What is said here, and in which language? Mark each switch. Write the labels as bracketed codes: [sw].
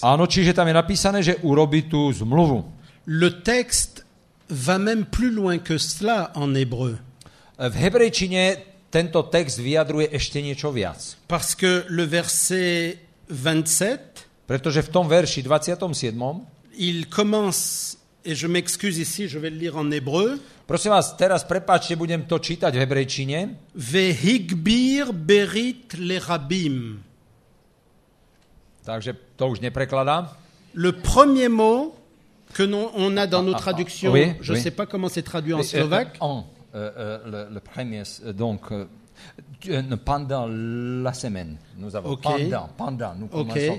[sk] Áno, čiže tam je napísané, že urobí tú zmluvu. [fr] Le texte va même plus loin que cela en hébreu. [sk] V hebrejčine tento text vyjadruje ešte niečo viac. [fr] Parce que le verset 27, [sk] pretože v tom verši 27. [fr] Il commence, et je m'excuse ici, je vais le lire en hébreu. [sk] Prosím vás, teraz prepáčte, budem to čítať v hebrejčine. [he] Ve higbir berit le rabim. [sk] Takže to už neprekladám. [fr] Le premier mot que on a dans nos traductions, oui, je oui. sais pas comment c'est traduit en slovaque. Le premier, donc, pendant la semaine, nous avons okay. pendant, nous commençons okay.